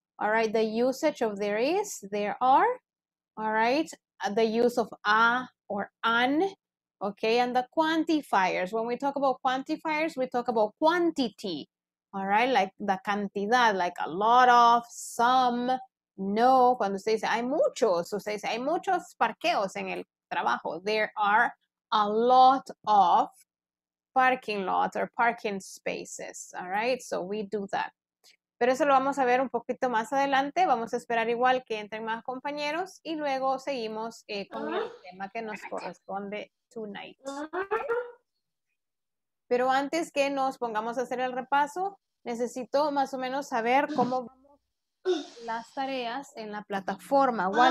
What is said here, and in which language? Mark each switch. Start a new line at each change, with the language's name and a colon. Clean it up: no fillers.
English: All right, the usage of there is, there are. All right, the use of a or an. Okay, and the quantifiers. When we talk about quantifiers, we talk about quantity. All right, like the cantidad, like a lot of, some.
Spanish: No, cuando usted dice hay muchos, usted dice hay muchos parqueos en el trabajo.
English: There are a lot of parking lots or parking spaces. All right, so we do that.
Spanish: Pero eso lo vamos a ver un poquito más adelante. Vamos a esperar igual que entren más compañeros y luego seguimos con el tema que nos corresponde tonight. Pero antes que nos pongamos a hacer el repaso, necesito más o menos saber cómo las tareas en la plataforma.